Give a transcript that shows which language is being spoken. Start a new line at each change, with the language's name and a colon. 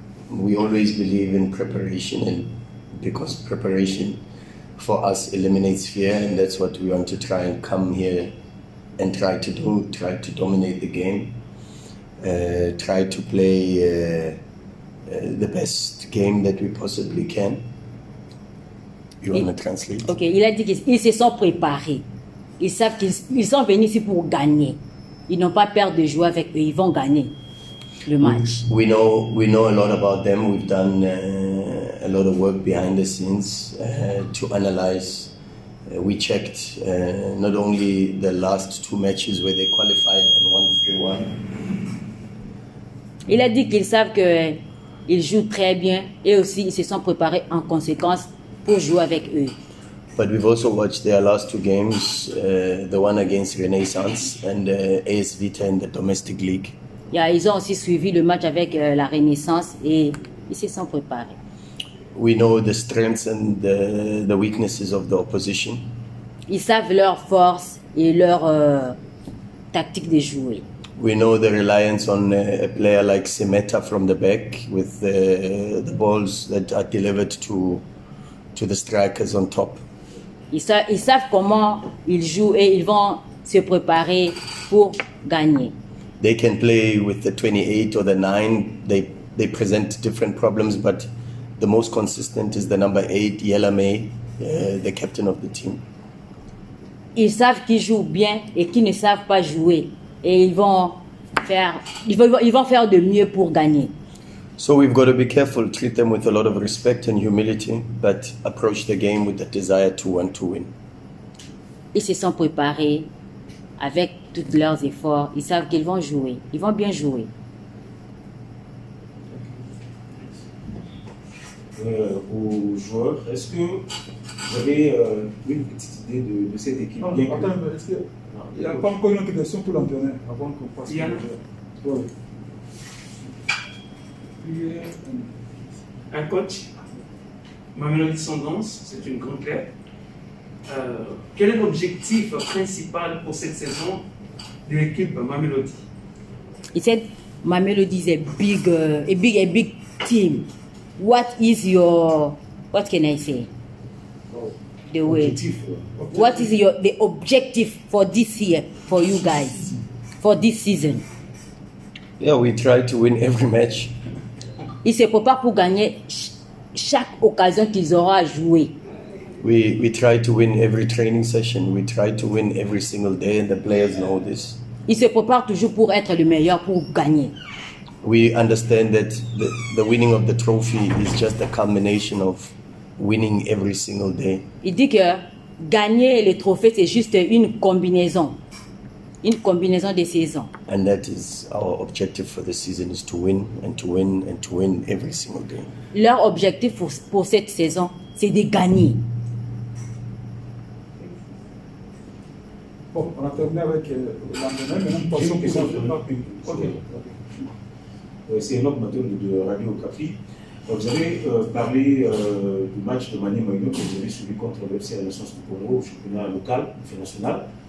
English: We always believe in preparation, and because preparation for us eliminates fear, and that's what we want to try and come here and try to do, try to dominate the game, try to play the best game that we possibly can. You want to translate?
French: Okay, il a dit qu'ils se sont préparés. Ils savent qu'ils sont venus ici pour gagner. Ils n'ont pas peur de jouer avec eux. Ils vont gagner le match.
English: We know a lot about them. We've done a lot of work behind the scenes to analyze. We checked not only the last two matches where they qualified and won 3-1.
French: Il a dit qu'ils savent qu'ils jouent très bien et aussi ils se sont préparés en conséquence pour jouer avec eux.
English: But we've also watched their last two games, the one against Renaissance and AS Vita in the domestic league.
French: Yeah, ils ont aussi suivi le match avec la Renaissance et ils se sont préparés.
English: We know the strengths and the weaknesses of the opposition.
French: Ils savent leur force et leur tactique de jouer.
English: We know the reliance on a player like Semeta from the back with the balls that are delivered to the strikers on top.
French: Ils savent comment ils jouent et ils vont se préparer pour gagner.
English: They can play with the 28 or the 9. They present different problems, but the most consistent is the number 8, Yellame, the captain of the team.
French: Ils savent qui joue bien et qui ne savent pas jouer, et ils vont faire de mieux pour gagner.
English: So we've got to be careful, treat them with a lot of respect and humility, but approach the game with the desire to want to win.
French: Ils se sont préparés avec tous leurs efforts. Ils savent qu'ils vont jouer. Ils vont bien jouer. Aux joueurs, est-ce que vous avez une petite idée de cette équipe? Non, attends, est-ce qu'il n'y a pas encore une question pour l'entraîneur avant qu'on passe au joueur? Un coach, Mamelodi Sundowns, c'est une grande claire. Quel est l'objectif principal pour cette saison de l'équipe Mamelodi? Il dit,
English: Mamelodi is a big team. What is the objective for this year for you guys, for this season? Yeah, we try to win every match.
French: Ils se préparent pour gagner chaque occasion qu'ils auront à jouer.
English: We try to win every training session. We try to win every single day, and the players know this.
French: Ils se préparent toujours pour être le meilleur, pour gagner.
English: we understand that the winning of the trophy is just a combination of winning every single day.
French: Il dit que gagner le trophée c'est juste une combinaison de saisons.
English: And that is our objective for the season is to win and to win and to win every single day.
French: Leur objectif pour cette saison c'est de gagner. Bon, on a terminé avec le lendemain, mais nous pensons que ça ne va pas plus. Okay. C'est un autre matin de Radio Capri. Vous avez parlé du match de Maniema Union que vous avez suivi contre le FC Renaissance du Congo au championnat local, international.